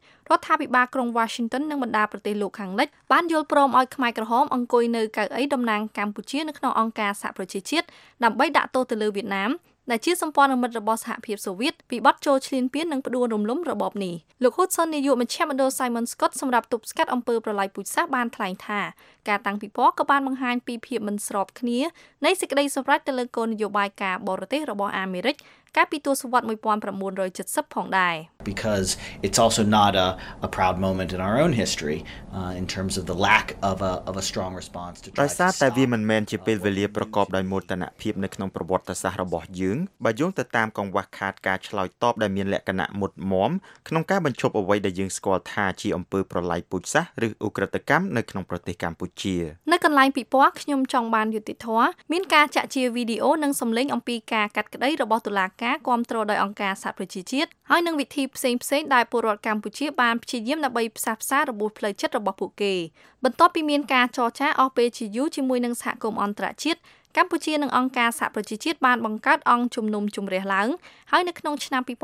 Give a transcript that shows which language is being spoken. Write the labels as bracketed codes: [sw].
[km] រដ្ឋាភិបាលក្រុង Washington និងបណ្ដាប្រទេសលោកខាងលិចបានយល់ព្រមឲ្យខ្មែរក្រហមអង្គុយនៅកៅអីតំណាងកម្ពុជានៅក្នុងអង្គការសហប្រជាជាតិដើម្បីដាក់ទោសទៅលើវៀតណាមដែលជាសម្ព័ន្ធមិត្តរបស់សហភាពសូវៀតពីបទចូលឈ្លានពាននិងផ្ដួលរំលំរបបនេះលោកហ៊ូតសុននាយកមជ្ឈមណ្ឌល Simon Scott សម្រាប់ទប់ស្កាត់អំពើប្រល័យពូជសាសន៍បានថ្លែងថាការតាំងពិព័រណ៍ក៏បានបង្ហាញពីភាពមិនស្របគ្នានៃសេចក្តីសម្រេចទៅលើគោលនយោបាយការបរទេសរបស់អាមេរិកកាលពីទសវត្សរ៍1970ផងដែរ [en] Because it's also not a proud moment in our own history in terms of the lack of a strong response to [km] trials តែវាមិនមែនជាពេលវេលាប្រកបដោយមោទនភាពនៅក្នុងប្រវត្តិសាស្ត្ររបស់យើងបើយោងទៅតាមកង្វះខាតការឆ្លើយតបដែលមានលក្ខណៈមុតមមក្នុងការបញ្ឈប់អ្វីដែលយើងស្គាល់ថាជាអំពើប្រល័យពូជសាសន៍ឬឧក្រិដ្ឋកម្មនៅក្នុងប្រទេសកម្ពុជានៅកន្លែងពិព័រណ៍ខ្ញុំចង់បានយុតិធម៌មានការចាក់ជាវីដេអូនិងសំឡេងអំពីការកាត់ក្តីរបស់តុលាការគាំទ្រដោយអង្គការសហប្រជាជាតិហើយនឹងវិធីផ្សេងៗដែលពលរដ្ឋកម្ពុជាបានព្យាយាមដើម្បីផ្សះផ្សារបួសផ្លូវចិត្តរបស់ពួកគេបន្ទាប់ពីមានការចរចាអស់ពេលជាយូរជាមួយនឹងសហគមន៍អន្តរជាតិកម្ពុជានិងអង្គការសហប្រជាជាតិបានបង្កើតអង្គជំនុំជម្រះឡើងហើយនៅក្នុងឆ្នាំ